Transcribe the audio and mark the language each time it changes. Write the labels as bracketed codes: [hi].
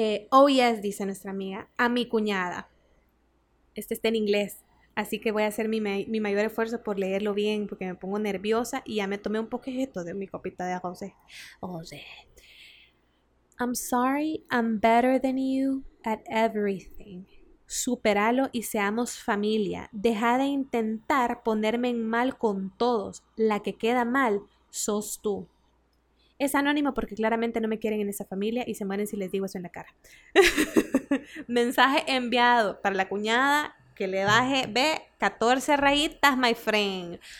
[en] Oh yes, [es] dice nuestra amiga, a mi cuñada. Este está en inglés, así que voy a hacer mi mayor esfuerzo por leerlo bien, porque me pongo nerviosa y ya me tomé un poquito de mi copita de José. José. [en] I'm sorry, I'm better than you at everything. [es] Superalo y seamos familia. Deja de intentar ponerme en mal con todos. La que queda mal sos tú. Es anónimo porque claramente no me quieren en esa familia y se mueren si les digo eso en la cara. Mensaje enviado para la cuñada, que le baje, ve, 14 rayitas, [en] my friend.